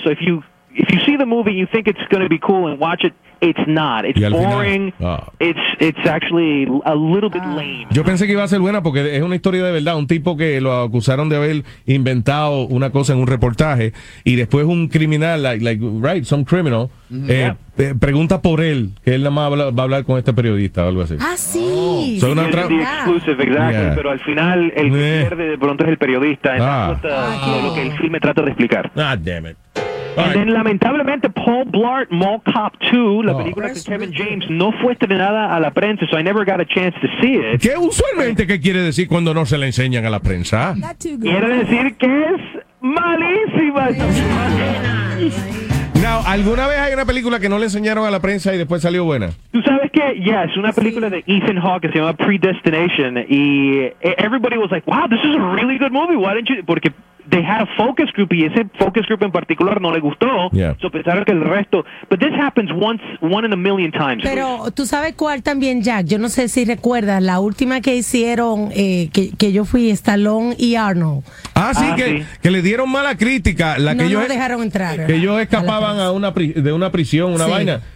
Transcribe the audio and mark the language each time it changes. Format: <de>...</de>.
<en>So if you see the movie, you think it's going to be cool and watch it, it's not. It's boring. It's actually a little bit lame.</en> <es>Yo pensé que iba a ser buena porque es una historia de verdad. Un tipo que lo acusaron de haber inventado una cosa en un reportaje y después un criminal,</es> <en>like right, some criminal,</en> <es>pregunta por él, que él nada más va a hablar con este periodista o algo así. Ah, sí. Oh.</es> <en>So</en> <es>una trama.</es> <en>The exclusive, exactly. Yeah.</en> <es>Pero al final, el que pierde de pronto es el periodista. Lo que el filme trata de explicar.</es> <en>Ah, damn it. Right. And then,</en> <es>lamentablemente,</es> <en>Paul Blart, Mall Cop 2,</en> <es>la película de Kevin James, no fue estrenada a la prensa,</es> <en>so I never got a chance to see it.</en> <es>¿Qué usualmente qué quiere decir cuando no se la enseñan a la prensa? Quiere decir que es malísima. Now, ¿alguna vez hay una película que no le enseñaron a la prensa y después salió buena? ¿Tú sabes qué? Yes, una película de Ethan Hawke que se llama Predestination, y everybody was like, wow, this is a really good movie, why didn't you... Porque</es> <en>they had a focus group,</en> <es>y ese focus group en particular no le gustó, so pensaron que el resto...</es> <en>But this happens one in a million times.</en> <es>Pero, ¿tú sabes cuál también, Jack? Yo no sé si recuerdas, la última que hicieron, que yo fui, Stallone y Arnold. Ah, sí, que le dieron mala crítica. No dejaron entrar. Que ellos escapaban a una prisión, una vaina.</es>